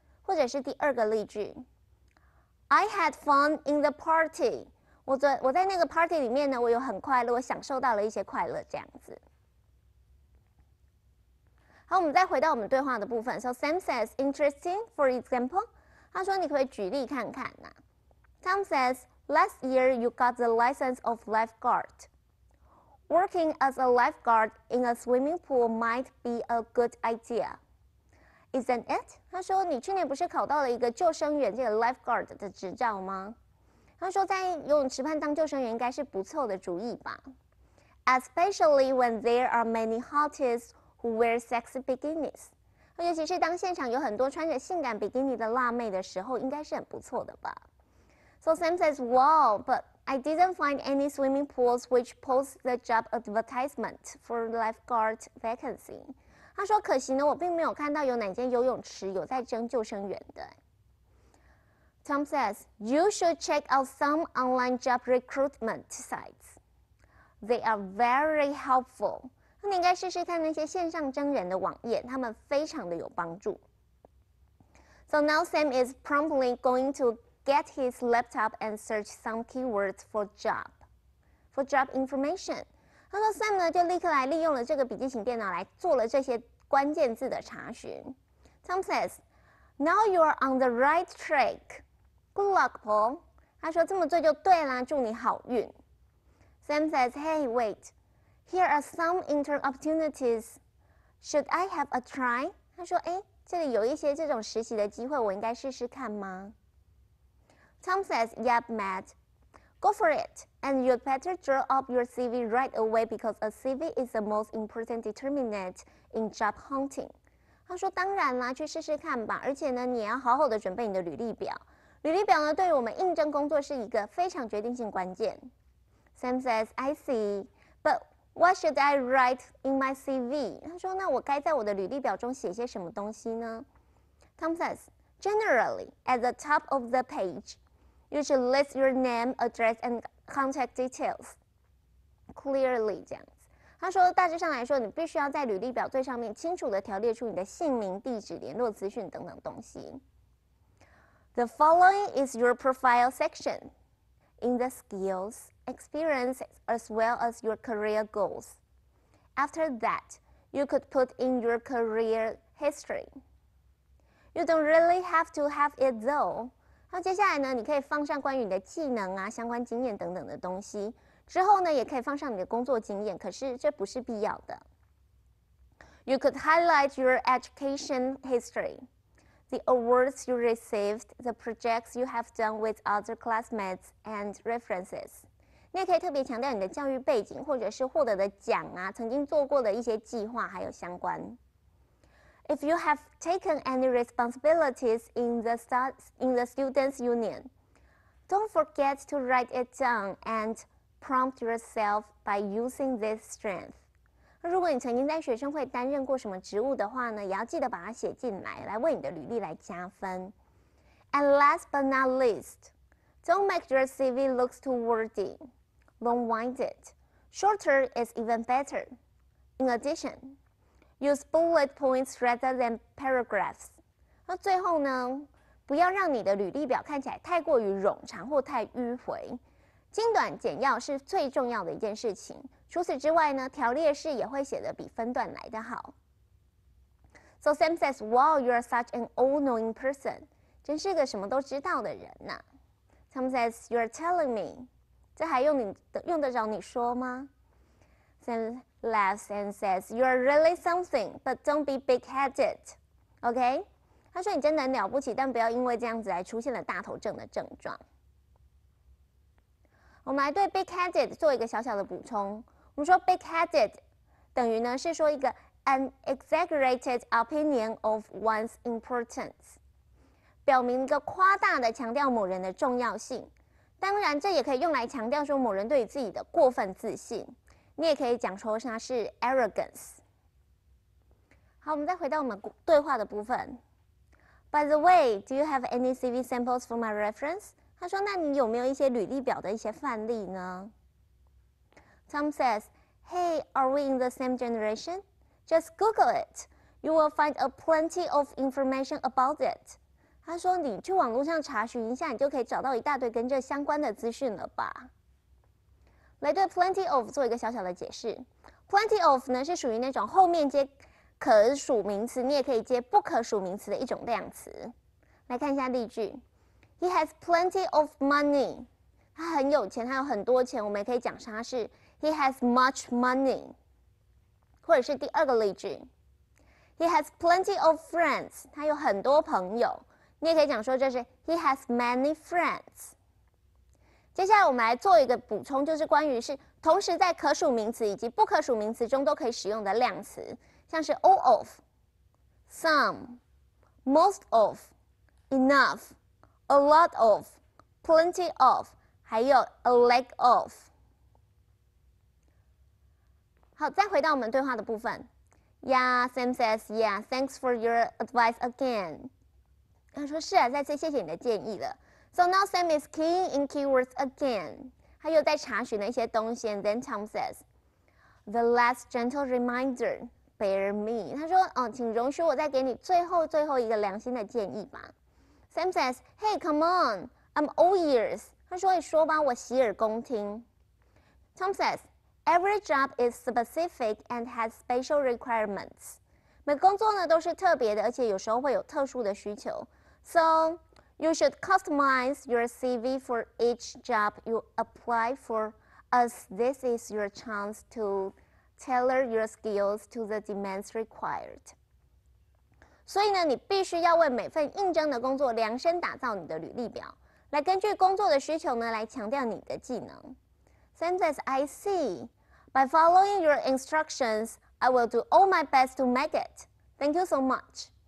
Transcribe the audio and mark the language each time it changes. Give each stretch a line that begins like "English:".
Chinese: 或者是第二个例句 ：
English: I had fun in the party，
Chinese: 我在那个 party 里面呢，我有很快乐，我享受到了一些快乐，这样子。好，我们再回到我们对话的部分。
English: So Sam says interesting, for example。
Chinese: 他说：“你可以举例看看呐、啊。”
English: Tom says, "Last year you got the license of lifeguard. Working as a lifeguard in a swimming pool might be a good idea, isn't it?"
Chinese: 他说：“你去年不是考到了一个救生员这个 lifeguard 的执照吗？” 他说：“在游泳池畔当救生员应该是不错的主意吧 ，
English: especially when there are many hotties who wear sexy bikinis.”
Chinese: 尤其是当现场有很多穿着性感比基尼的辣妹的时候，应该是很不错的吧。
English: So Sam says, "Wow, but I didn't find any swimming pools which post the job advertisement for lifeguard vacancy."
Chinese: 他说：“可惜呢，我并没有看到有哪间游泳池有在征救生员的。”
English: Tom says, "You should check out some online job recruitment sites. They are very helpful."
Chinese: 那你应该试试看那些线上征人的网页，他们非常的有帮助。
English: So now Sam is promptly going to get his laptop and search some keywords for job information.
Chinese: 他说 Sam 呢就立刻来利用了这个笔记型电脑来做了这些关键字的查询。
English: Tom says, "Now you are on the right track. Good luck, Paul."
Chinese: 他说这么做就对啦，祝你好运。
English: Sam says, "Hey, wait. Here are some intern opportunities. Should I have a try?"
Chinese: 他说：“哎，这里有一些这种实习的机会，我应该试试看吗？”
English: Tom says, "Yep, Matt. Go for it. And you'd better draw up your CV right away because a CV is the most important determinant in job hunting."
Chinese: 他说：“当然啦，去试试看吧。而且呢，你要好好的准备你的履历表。履历表呢，对于我们应征工作是一个非常决定性关键。”
English: Sam says, "I see, but." What should I write in my CV?
Chinese: 他说：“那我该在我的履历表中写些什么东西呢？”
English: Tom says, "Generally, at the top of the page, you should list your name, address, and contact details clearly."
Chinese: 这样子，他说：“大致上来说，你必须要在履历表最上面清楚地条列出你的姓名、地址、联络资讯等等东西。”
English: The following is your profile section. In the skills, experience, as well as your career goals. After that, you could put in your career history. You don't really have to have it though.
Chinese: 接下来呢，你可以放上关于你的技能啊、相关经验等等的东西。之后呢，也可以放上你的工作经验，可是这不是必要的。
English: You could highlight your education history, the awards you received, the projects you have done with other classmates, and references.
Chinese: 你也可以特别强调你的教育背景，或者是获得的奖啊，曾经做过的一些计划，还有相关。
English: If you have taken any responsibilities in the students' union, don't forget to write it down and prompt yourself by using this strength.
Chinese: 如果你曾经在学生会担任过什么职务的话呢，也要记得把它写进来，来为你的履历来加分。
English: And last but not least, don't make your CV look too wordy. Long wind it. Shorter is even better. In addition, use bullet points rather than paragraphs.
Chinese: 那最后呢，不要让你的履历表看起来太过于冗长或太迂回。精短简要是最重要的一件事情。除此之外呢，条列式也会写得比分段来得好。
English: So Sam says, wow, you are such an all-knowing person.
Chinese: 真是个什么都知道的人呐。
English: Tom says, you are telling me.
Chinese: 这还用你用得着你说吗？
English: Sam laughs and says, you are really something, but don't be big-headed. OK?
Chinese: 他说你真的很了不起，但不要因为这样子来出现了大头症的症状。我们来对 big-headed 做一个小小的补充。我们说 big-headed 等于呢是说一个
English: an exaggerated opinion of one's importance，
Chinese: 表明一个夸大的强调某人的重要性。当然，这也可以用来强调说某人对自己的过分自信。你也可以讲说它是 arrogance。好，我们再回到我们对话的部分。
English: By the way, do you have any CV samples for my reference?
Chinese: 他说：“那你有没有一些履历表的一些范例呢？”
English: Tom says, "Hey, are we in the same generation? Just Google it. You will find a plenty of information about it."
Chinese: 他说：“你去网络上查询一下，你就可以找到一大堆跟这相关的资讯了吧？” 来对 plenty of 做一个小小的解释。Plenty of 呢是属于那种后面接可数名词，你也可以接不可数名词的一种量词。来看一下例句。
English: He has plenty of money.
Chinese: 他很有钱，他有很多钱。我们也可以讲他是
English: He has much money.
Chinese: 或者是第二个例句
English: He has plenty of friends.
Chinese: 他有很多朋友。你也可以讲说这是
English: He has many friends.
Chinese: 接下来我们来做一个补充，就是关于是同时在可数名词以及不可数名词中都可以使用的量词，像是 all of, some, most of, enough,A lot of, plenty of, 还有 a lack of. 好，再回到我们对话的部分。
English: Yeah, Sam says, yeah, thanks for your advice again.
Chinese: 他说是啊，再次谢谢你的建议了。
English: So now Sam is keying in keywords again.
Chinese: 他又在查询了一些东西。
English: And then Tom says, the last gentle reminder, bear me.
Chinese: 他说，嗯，请容许我再给你最后一个良心的建议吧。
English: Sam says, hey, come on, I'm all ears.
Chinese: 他说一说吧，我洗耳恭听。
English: Tom says, every job is specific and has special requirements.
Chinese: 每工作呢都是特别的，而且有时候会有特殊的需求。
English: So, you should customize your CV for each job you apply for, as this is your chance to tailor your skills to the demands required.
Chinese: 所以呢，你必须要为每份应征的工作量身打造你的履历表，来根据工作的需求呢，来强调你的技能。
English: Sam says, I see. By following your instructions, I will do all my best to make it. Thank you so much.